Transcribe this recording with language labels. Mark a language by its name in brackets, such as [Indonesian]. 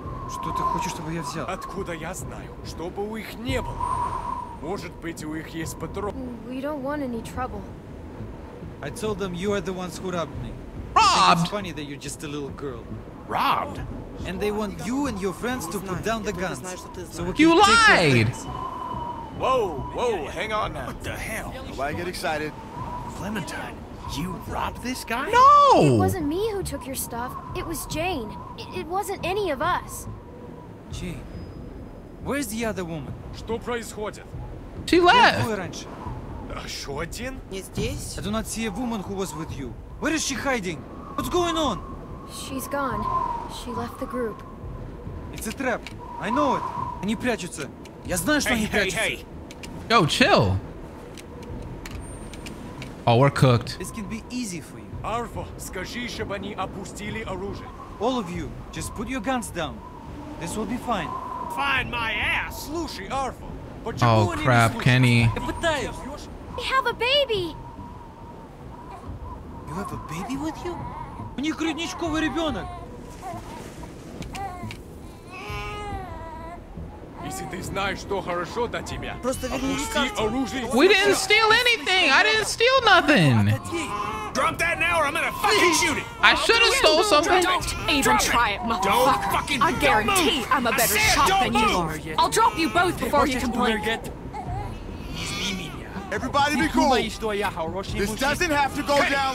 [Russian] Что ты хочешь, чтобы я взял? Откуда я знаю? Чтобы у них не было. Может быть, у них есть патрон. [English] We don't want any trouble. I told them you are the ones who robbed me. Robbed? It's funny that you're just a little girl. Robbed? And they want you and your friends to put down the guns. So you lied! Whoa, hang on now. What the hell? Why get excited? Clementine, you robbed this guy? No! It wasn't me who took your stuff. It was Jane. It wasn't any of us. Jane, where's the other woman? [Russian] Что происходит? [English] She left. Where was she? [Russian] Еще один? Не здесь. [English] I do not see a woman who was with you. Where is she hiding? What's going on? She's gone. She left the group. It's a trap. I know it. [Russian] Они прячутся. Я знаю, что они прячутся. Hey, [English] hey, hey. Yo, chill. Oh, we're cooked. This can be easy for you. [Russian] Arvo, скажи, чтобы они опустили оружие. [English] All of you, just put your guns down. This will be fine. Find my ass. [Russian] Слушай, Арфа. [English] Oh crap, Kenny. We have a baby. You have a baby with you? [Russian] У них грудничковый ребенок. Если ты знаешь, что хорошо для тебя, просто верни оружие. [English] We didn't steal anything. I didn't steal nothing. Drop that now, or I'm gonna fucking shoot it. I should have stole something. Don't even try it, motherfucker. Don't fucking I guarantee I'm a better shot than you are. I'll drop you both before you complain. Everybody be cool. This doesn't have to go down.